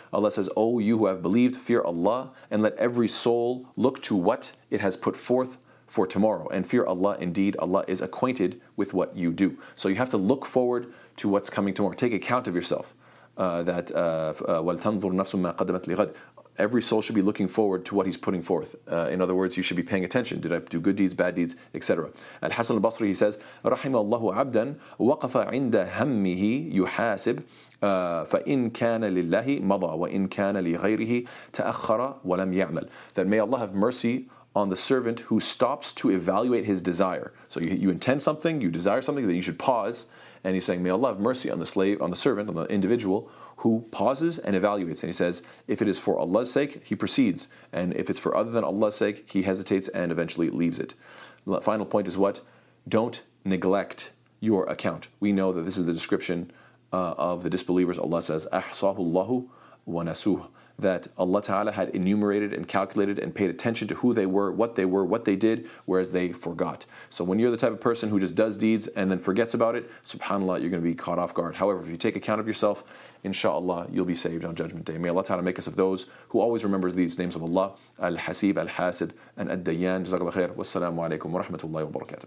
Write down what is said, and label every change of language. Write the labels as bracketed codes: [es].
[en] Allah says, O you who have believed, fear Allah, and let every soul look to what it has put forth for tomorrow, and fear Allah, indeed Allah is acquainted with what you do. So you have to look forward to what's coming tomorrow. Take account of yourself. [ar] وَلْتَنْظُرْ نَفْسٌ مَّا قَدَّمَتْ لِغَدْ. [en] Every soul should be looking forward to what he's putting forth. In other words, you should be paying attention. Did I do good deeds, bad deeds, etc.? Al-Hasan al-Basri, he says, [ar] رَحِمَ اللَّهُ عَبْدًا وَقَفَ عِنْدَ هَمِّهِ يُحَاسِبْ فَإِنْ كَانَ لِلَّهِ مَضَى وَإِنْ كَانَ لِغَيْرِهِ تَأَخَّرَ وَلَمْ يَعْمَلْ. [en] That may Allah have mercy on the servant who stops to evaluate his desire. So you intend something, you desire something, then you should pause. And he's saying, may Allah have mercy on the slave, on the servant, on the individual who pauses and evaluates. And he says, if it is for Allah's sake, he proceeds. And if it's for other than Allah's sake, he hesitates and eventually leaves it. Final point is what? Don't neglect your account. We know that this is the description of the disbelievers. Allah says, [ar] أَحْصَاهُ اللَّهُ وَنَسُوهُ. [en] That Allah Ta'ala had enumerated and calculated and paid attention to who they were, what they did, whereas they forgot. So when you're the type of person who just does deeds and then forgets about it, subhanAllah, you're going to be caught off guard. However, if you take account of yourself, inshallah, you'll be saved on Judgment Day. May Allah Ta'ala make us of those who always remembers these names of Allah, Al-Haseeb, Al-Hasib, and Al-Dayan. Jazakallah khair. Wassalamu alaikum wa rahmatullahi wa barakatuh.